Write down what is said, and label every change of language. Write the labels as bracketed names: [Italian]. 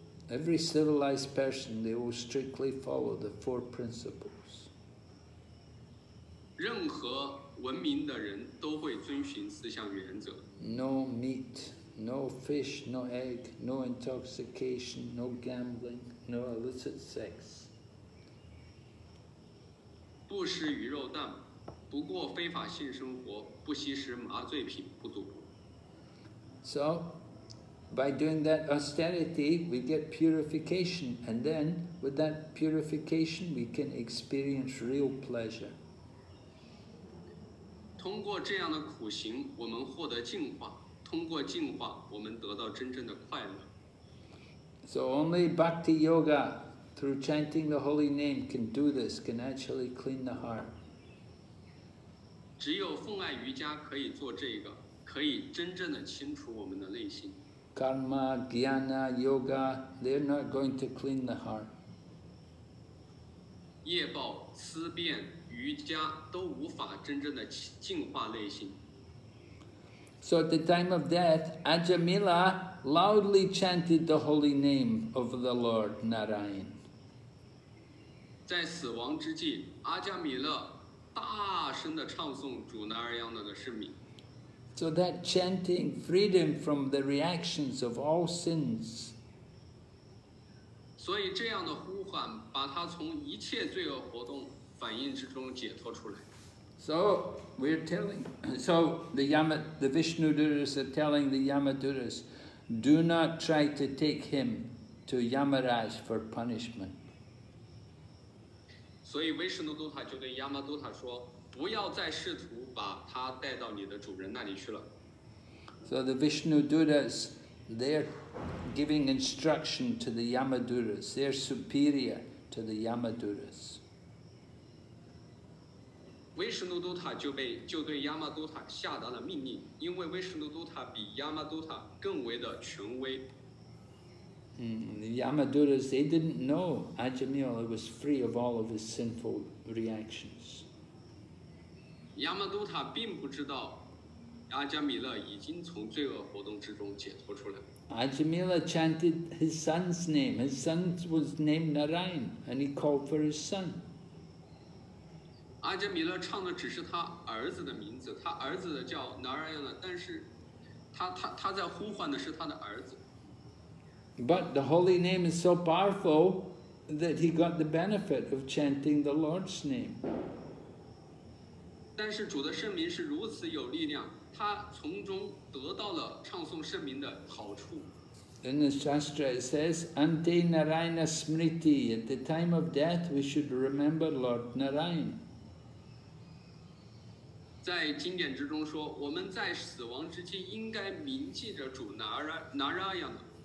[English] Every civilized person, they will strictly follow the four principles. [Chinese] 任何文明的人都会遵循四项原则。 [English] No meat, no fish, no egg, no intoxication, no gambling, no illicit sex. [Chinese] 不吃鱼肉蛋，不过非法性生活，不吸食麻醉品，不赌博。 [English] So, by doing that austerity, we get purification, and then with that purification, we can experience real pleasure. [Chinese] 通过这样的苦行，我们获得净化；通过净化，我们得到真正的快乐。 [English] So only bhakti yoga, through chanting the holy name, can do this, can actually clean the heart. [Chinese] 只有奉爱瑜伽可以做这个，可以真正的清除我们的内心。 [English] Karma, jnana, yoga, they're not going to clean the heart. [Chinese] 业报、思辨、瑜伽都无法真正的净化内心。 [English] So at the time of death, Ajamila loudly chanted the holy name of the Lord Narayana. [Chinese] 在死亡之际，阿伽米勒大声地唱诵主纳尔扬那的圣名。 [English] So that chanting freed him from the reactions of all sins. [Chinese] 所以这样的呼唤把他从一切罪恶活动反应之中解脱出来。 [English] So we're telling, so the Vishnudurus are telling the Yamadurus, do not try to take him to Yamaraj for punishment. [Chinese] 所以维什努都塔就对亚玛都塔说，不要再试图把他带到你的主人那里去了。 [English] So the Vishnu Duras, they're giving instruction to the Yamaduras. They're superior to the Yamaduras. [Chinese] 维什努都塔就对亚玛都塔下达了命令，因为维什努都塔比亚玛都塔更为的权威。 [English] The Yamaduras, they didn't know Ajamila was free of all of his sinful reactions. [Chinese] Yamaduta 并不知道阿伽米勒已经从罪恶活动之中解脱出来。 [English] Ajamila chanted his son's name. His son was named Narayan, and he called for his son. [Chinese] Ajamila 唱的只是他儿子的名字，他儿子的叫 Narayan， 但是他在呼唤的是他的儿子。 [English] But the holy name is so powerful that he got the benefit of chanting the Lord's name. [Chinese] 但是主的圣名是如此有力量，他从中得到了唱诵圣名的好处。 [English] In the Shastra it says, [Sanskrit] Ante Narayana Smriti, [English] at the time of death we should remember Lord Narayana. [Chinese] 在经典之中说，我们在死亡之际应该铭记着主Narayana。